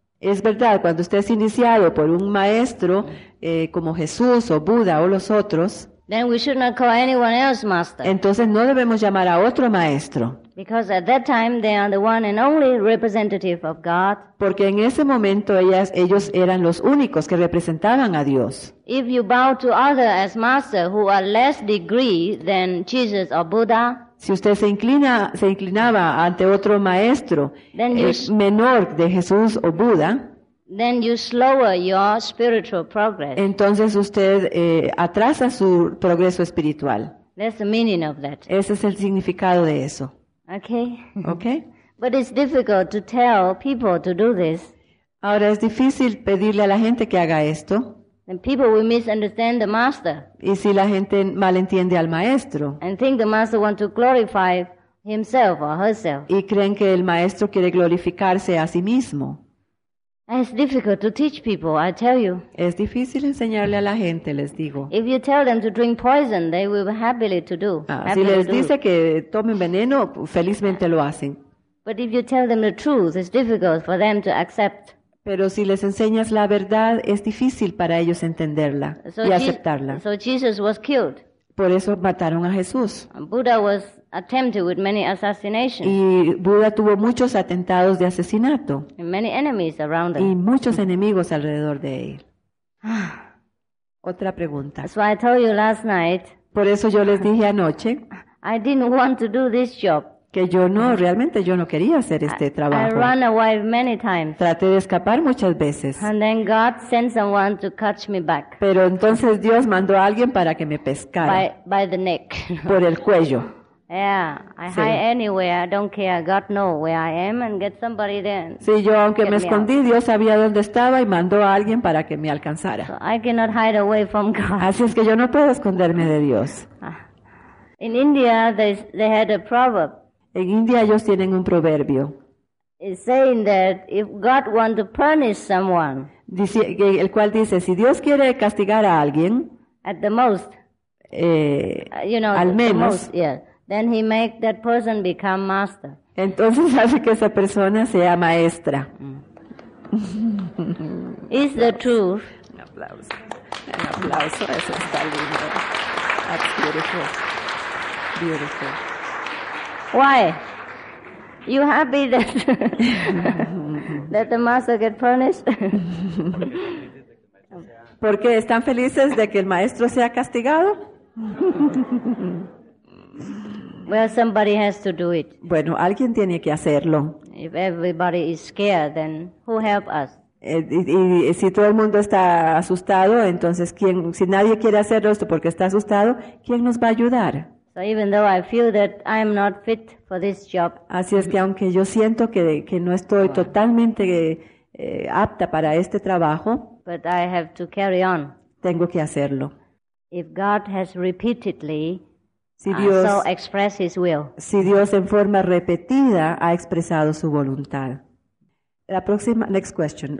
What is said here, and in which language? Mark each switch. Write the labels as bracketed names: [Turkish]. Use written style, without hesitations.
[Spanish] Es verdad, cuando usted es iniciado por un maestro como Jesús o Buda o los otros, [English] then we should not call anyone else master. [Spanish] Entonces no debemos llamar a otro maestro. [English] Because at that time they are the one and only representative of God. [Spanish] Porque en ese momento ellos eran los únicos que representaban a Dios. [English] If you bow to other as master who are less degree than Jesus or Buddha, [Spanish] si usted se inclinaba ante otro maestro menor de Jesús o Buda, [English] then you slow your spiritual progress. [Spanish] Entonces usted atrasa su progreso espiritual. [English] That's the meaning of that. [Spanish] Ese es el significado de eso. [English] Okay. Okay. But it's difficult to tell people to do this. [Spanish] Ahora es difícil pedirle a la gente que haga esto. [English] And people will misunderstand the master. [Spanish] Y si la gente malentiende al maestro. [English] And think the master wants to glorify himself or herself. [Spanish] Y creen que el maestro quiere glorificarse a sí mismo. [English] It's difficult to teach people, I tell you. [Spanish] Es difícil enseñarle a la gente, les digo. [English] If you tell them to drink poison, they will happily to do. [Spanish] Si les dice que tomen veneno, felizmente lo hacen. [English] But if you tell them the truth, it's difficult for them to accept. [Spanish] Pero si les enseñas la verdad, es difícil para ellos entenderla y aceptarla. [English] So Jesus was killed. [Spanish] Por eso mataron a Jesús. [English] Buddha was attempted with many assassinations. [Spanish] Y Buda tuvo muchos atentados de asesinato. [English] And many enemies around him. [Spanish] Y muchos enemigos alrededor de él. Otra pregunta. [English] That's why I told you last night. [Spanish] Por eso yo les dije anoche. [English] I didn't want to do this job. [Spanish] Que yo no, realmente yo no quería hacer este trabajo. [English] I ran away many times. [Spanish] Traté de escapar muchas veces. [English] And then God sent someone to catch me back. [Spanish] Pero entonces Dios mandó a alguien para que me pescara. [English] By the neck. [Spanish] Por el cuello. [English] Yeah, I hide anywhere. I don't care. God knows where I am and get somebody there. [Spanish] Sí, yo aunque me escondí, Dios sabía dónde estaba y mandó a alguien para que me alcanzara. [English] So I cannot hide away from God. [Spanish] Así es que yo no puedo esconderme de Dios. [English] In India, they had a proverb. [Spanish] En India ellos tienen un proverbio. [English] It's saying that if God wants to punish someone, [Spanish] dice, el cual dice, si Dios quiere castigar a alguien, [English] at the most, you know, [Spanish] al menos, [English] the most, yeah, then he make that person become master. [Spanish] Entonces hace que esa persona sea maestra. [English] Is the truth? [Spanish] Un aplauso. Un aplauso. Eso está lindo. [English] That's beautiful. Beautiful. Why? You happy that that the master get punished? [Spanish] Porque están felices de que el maestro sea castigado. [English] Well, somebody has to do it. [Spanish] Bueno, alguien tiene que hacerlo. [English] If everybody is scared, then who help us? [Spanish] Y si todo el mundo está asustado, entonces quién? Si nadie quiere hacerlo esto porque está asustado, ¿quién nos va a ayudar? [English] So even though I feel that I am not fit for this job. [Spanish] Así es que aunque yo siento que no estoy totalmente apta para este trabajo. [English] But I have to carry on. [Spanish] Tengo que hacerlo. [English] If God has repeatedly, [Spanish] si Dios, [English] so expressed His will. [Spanish] Si Dios en forma repetida ha expresado su voluntad. [English] Next question.